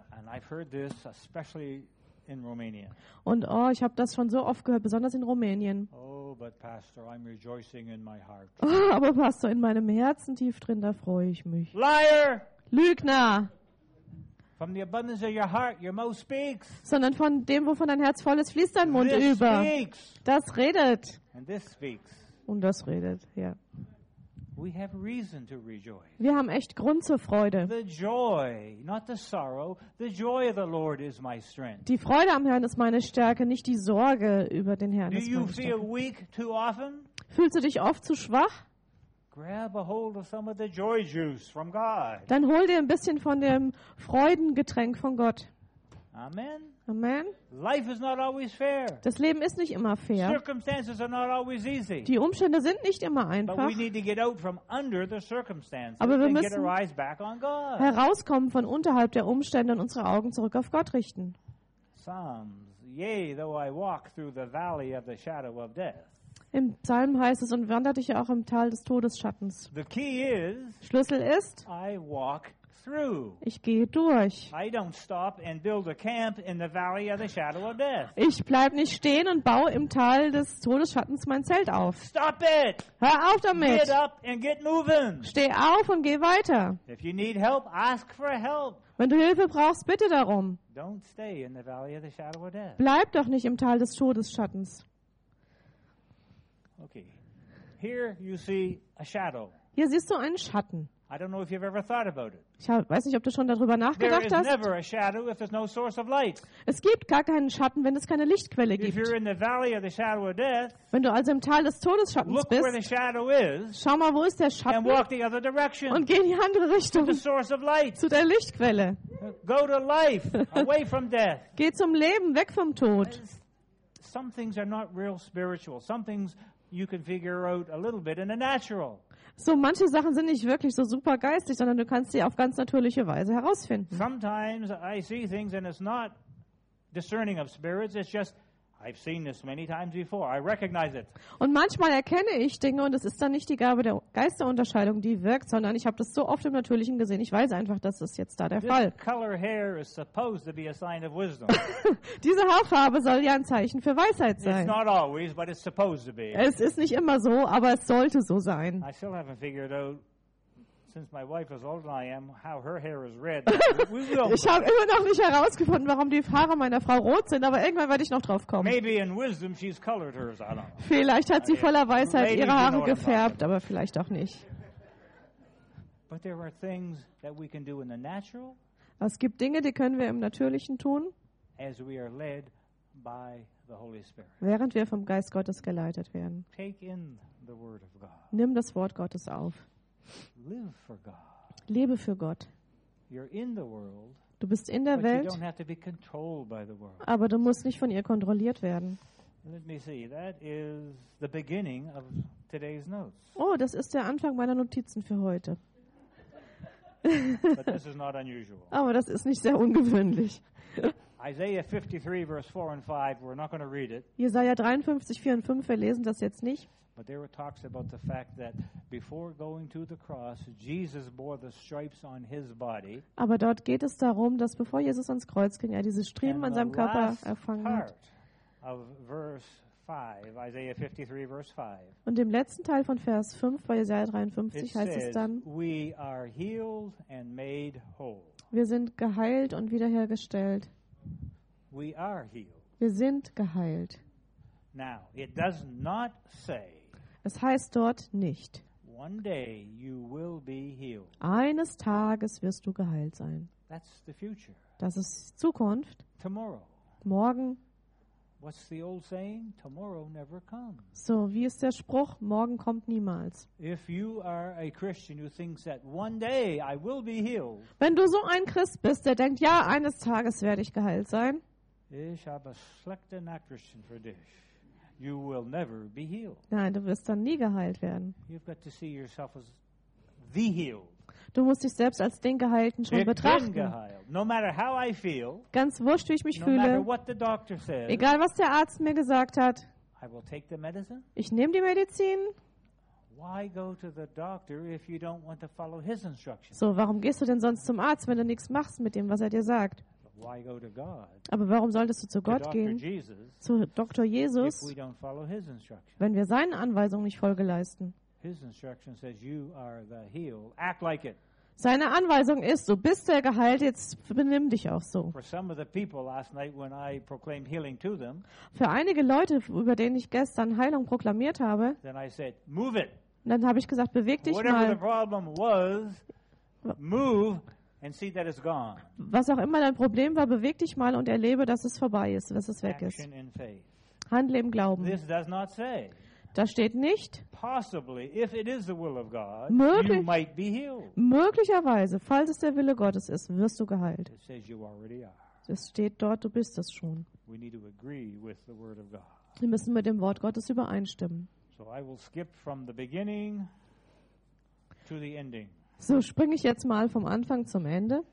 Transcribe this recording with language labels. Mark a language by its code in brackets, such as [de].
[en] I've heard this, especially in Romania. [de] Und ich habe das schon so oft gehört, besonders in Rumänien. [en] Oh, but Pastor, I'm rejoicing in my heart. [de] Aber Pastor, in meinem Herzen tief drin, da freue ich mich. [en] Liar! [de] Lügner! [en] From the abundance of your heart, your mouth speaks. [de] Sondern von dem, wovon dein Herz voll ist, fließt dein Mund [en] this [de] über. [en] Speaks. [de] Das redet. [en] And this speaks. [de] Und das redet, ja. [en] We have reason to rejoice. [de] Wir haben echt Grund zur Freude. [en] The joy, not the sorrow, the joy of the Lord is my strength. [de] Die Freude am Herrn ist meine Stärke, nicht die Sorge über den Herrn. [en] Do you feel weak too often? [de] Fühlst du dich oft zu schwach? [en] Grab a hold of some of the joy juice from God. [de] Dann hol dir ein bisschen von dem Freudengetränk von Gott. [en] Amen. [de] Amen. [en] Life is not always fair. [de] Das Leben ist nicht immer fair. [en] Circumstances are not always easy. [de] Die Umstände sind nicht immer einfach. [en] But we need to get out from under the circumstances. [de] Aber wir müssen [en] get our eyes back on God. [de] Herauskommen von unterhalb der Umstände und unsere Augen zurück auf Gott richten. [en] Psalms, yea, though I walk through the valley of the shadow of death. [de] Im Psalm heißt es, und wanderte ich auch im Tal des Todesschattens. [en] The key is, [de] Schlüssel ist, [en] I walk through. [de] Ich gehe durch. [en] I don't stop and build a camp in the valley of the shadow of death. [de] Ich bleib nicht stehen und baue im Tal des Todesschattens mein Zelt auf. [en] Stop it. [de] Hör auf damit. [en] Get up and get moving. [de] Steh auf und geh weiter. [en] If you need help, ask for help. [de] Wenn du Hilfe brauchst, bitte darum. [en] Don't stay in the valley of the shadow of death. [de] Bleib doch nicht im Tal des Todesschattens. [en] Okay. Here you see a shadow. [de] Hier siehst du einen Schatten. [en] I don't know if you've ever thought about it. [de] Ich weiß nicht, ob du schon darüber nachgedacht hast. [en] There is never a shadow if there's no source of light. [de] Es gibt gar keinen Schatten, wenn es keine Lichtquelle gibt. [en] If you're in the valley of the shadow of death, [de] wenn du also im Tal des Todesschattens [en] look [de] bist, [en] where the shadow is, [de] schau mal, wo ist der Schatten, [en] and walk the other direction, [de] und geh in die andere Richtung, [en] to the source of light, [de] zu der Lichtquelle. [en] Go to life, away from death. [de] Geh zum Leben, weg vom Tod. [en] Some things are not real spiritual. Some things you can figure out a little bit in the natural. [de] So, manche Sachen sind nicht wirklich so super geistig, sondern du kannst sie auf ganz natürliche Weise herausfinden. [en] Sometimes I see things and it's not discerning of spirits, it's just I've seen this many times before. I recognize it. [de] Und manchmal erkenne ich Dinge und es ist dann nicht die Gabe der Geisterunterscheidung, die wirkt, sondern ich habe das so oft im Natürlichen gesehen. Ich weiß einfach, dass das jetzt da der Fall. [en] Color hair is supposed to be a sign of wisdom. [de] Diese Haarfarbe soll ja ein Zeichen für Weisheit sein. [en] It's not always, but it's supposed to be. [de] Es ist nicht immer so, aber es sollte so sein. [en] I still haven't figured out, since my wife is older than I am, how her hair is red. [de] Ich habe immer noch nicht herausgefunden, warum die Haare meiner Frau rot sind, aber irgendwann werde ich noch drauf kommen. [en] Maybe in wisdom she's colored hers, I don't know. [de] Vielleicht hat sie voller Weisheit ihre Haare gefärbt, aber vielleicht auch nicht. [en] But there are things that we can do in the natural. [de] Es gibt Dinge, die können wir im Natürlichen tun, [en] as we are led by the Holy Spirit. [de] Während wir vom Geist Gottes geleitet werden. [en] Take in the word of God. [de] Nimm das Wort Gottes auf. [en] Live for God. [de] Lebe für Gott. [en] You're in the world, [de] du bist in der [en] but [de] Welt, [en] you don't have to be controlled by the world. [de] Aber du musst nicht von ihr kontrolliert werden. [en] Let me see. That is the beginning of today's notes. [de] Oh, das ist der Anfang meiner Notizen für heute. [en] But this is not unusual. [de] Aber das ist nicht sehr ungewöhnlich. [en] Isaiah 53, verse 4 and 5, we're not going to read it. [de] Jesaja 53, 4 und 5, wir lesen das jetzt nicht. [en] But there it talks about the fact that before going to the cross, Jesus bore the stripes on his body. [de] Aber dort geht es darum, dass bevor Jesus ans Kreuz ging, er diese Striemen an seinem Körper erfangen hat. [en] Of verse 5, Isaiah 53, verse 5. [de] Und im letzten Teil von Vers 5 bei Jesaja 53 heißt es dann, [en] we are healed and made whole. [de] Wir sind geheilt und wiederhergestellt. [en] We are healed. [de] Wir sind geheilt. [en] Now, it does not say, [de] es heißt dort nicht, [en] one day you will be healed. [de] Eines Tages wirst du geheilt sein. [en] That's the future. [de] Das ist Zukunft. [en] Tomorrow. [de] Morgen. [en] What's the old saying? Tomorrow never comes. [de] So, wie ist der Spruch? Morgen kommt niemals. [en] If you are a Christian who thinks that one day I will be healed. [de] Wenn du so ein Christ bist, der denkt, ja, eines Tages werde ich geheilt sein. Ich habe eine schlechte Nachricht für dich. [en] You will never be healed. [de] Nein, du wirst dann nie geheilt werden. [en] You've got to see yourself as the healed. [de] Du musst dich selbst als den Geheilten schon betrachten. [en] No matter how I feel, [de] ganz wurscht, wie ich mich fühle, [en] what the doctor says, [de] egal was der Arzt mir gesagt hat, [en] I will take the medicine. [de] Ich nehme die Medizin. [en] Why go to the doctor if you don't want to follow his instructions? [de] So, warum gehst du denn sonst zum Arzt, wenn du nichts machst mit dem, was er dir sagt? [en] Why go to God, [de] aber warum solltest du zu Gott gehen, [en] Jesus, [de] zu Dr. Jesus, [en] if we don't follow his instructions? [de] Wenn wir seinen Anweisungen nicht Folge leisten? [en] His instruction says, "You are the healed. Act like it." [de] Seine Anweisung ist: Du bist der Geheilte. Jetzt benimm dich auch so. [en] For some of the people last night, when I proclaimed healing to them, [de] für einige Leute, über denen ich gestern Heilung proklamiert habe, [en] then I said, "Move it." [de] Dann habe ich gesagt: Beweg dich [en] whatever [de] mal. [en] Whatever the problem was, move and see that it's gone. [de] Was auch immer dein Problem war, beweg dich mal und erlebe, dass es vorbei ist, dass es weg ist. [en] Action in faith. [de] Handle im Glauben. [en] This does not say. [de] Da steht nicht, [en] possibly, if it is the will of God, [de] möglich, [en] you might be healed. [de] Möglicherweise, falls es der Wille Gottes ist, wirst du geheilt. [en] It says you already are. [de] Es steht dort, du bist es schon. [en] We need to agree with the word of God. [de] Wir müssen mit dem Wort Gottes übereinstimmen. [en] So, I will skip from the beginning to the ending. [de] So springe ich jetzt mal vom Anfang zum Ende.